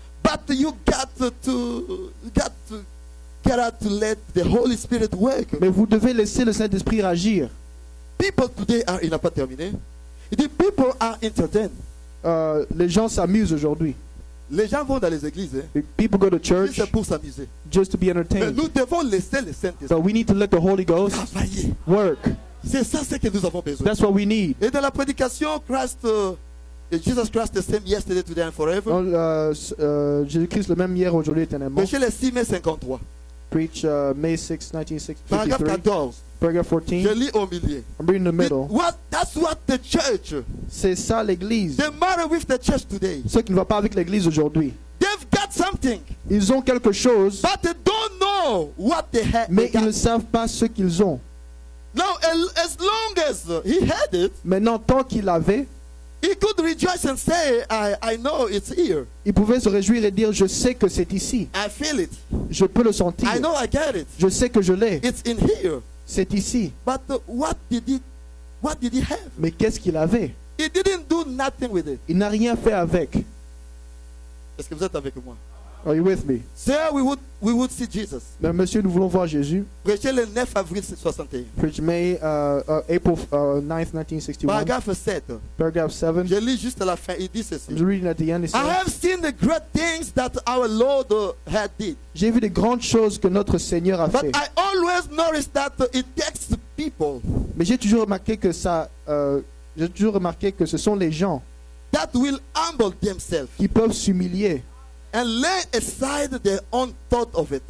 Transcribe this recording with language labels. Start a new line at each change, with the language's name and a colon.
English: But you got to get out to let the Holy Spirit work.
French: Mais vous devez laisser le Saint-Esprit agir.
English: People today are,
French: il n'a pas terminé.
English: The people are entertained.
French: Les gens s'amusent aujourd'hui. Les gens vont dans les églises.
English: People go to church.
French: Juste pour s'amuser.
English: Just to be entertained.
French: Mais nous devons laisser le Saint-Esprit.
English: But we need to let the Holy Ghost
French: travailler.
English: Work.
French: C'est ça ce que nous avons besoin.
English: That's what we need.
French: Et dans la prédication,
English: Christ, Jesus Christ the same yesterday, today and forever.
French: Jésus-Christ le même hier, aujourd'hui, éternellement. Prêchez le 6 mai 53.
English: Preach May 6, 1963. Paragraph 14. Paragraph 14.
French: Je lis au milieu.
English: I'm reading the middle. That's what the church.
French: C'est ça l'église.
English: The matter with the church today.
French: Ce qui ne va pas avec l'église aujourd'hui.
English: They've got something.
French: Ils ont quelque chose.
English: But they don't know what they have.
French: Mais ils ne savent pas ce qu'ils ont.
English: Now, as long as he had it.
French: Maintenant, tant qu'il l'avait.
English: He could rejoice and say, I know it's here.
French: Il pouvait se réjouir et dire, je sais que c'est ici.
English: I feel it.
French: Je peux le sentir.
English: I know I get it.
French: Je sais que je l'ai.
English: It's in here.
French: C'est ici.
English: But what did he have?
French: Mais qu'est-ce qu'il avait?
English: He didn't do nothing with it.
French: Il n'a rien fait avec. Est-ce que vous êtes avec moi?
English: Are you with me? Sir, we would see Jesus.
French: Mais monsieur, nous voulons voir Jésus. Prêchez le 9 avril 61.
English: Preach May April 9th, 1961. Paragraph 7.
French: Je lis juste à la fin. Il dit ceci.
English: I'm reading at the end. I have seen the great things that our Lord had did.
French: J'ai vu des grandes choses que notre Seigneur a
English: but
French: fait.
English: But I always noticed that it takes people.
French: Mais j'ai toujours remarqué que ce sont les gens
English: that will humble themselves.
French: Qui peuvent s'humilier.
English: And lay aside their own thought of it.